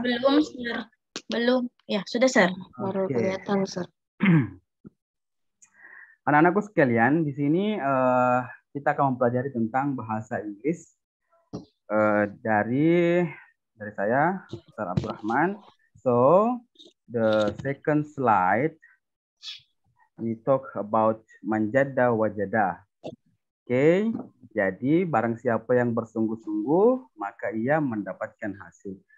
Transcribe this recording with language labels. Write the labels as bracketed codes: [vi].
[id] Belum, sir. Belum. Ya, sudah, sir. Baru okay. Kelihatan, sir. Anak-anakku sekalian, di sini kita akan mempelajari tentang bahasa Inggris dari saya, Ustaz Abdul Rahman. [en] So, the second slide. We talk about manjada wajada. [id] Okay, jadi barang siapa yang bersungguh-sungguh, maka ia mendapatkan hasil.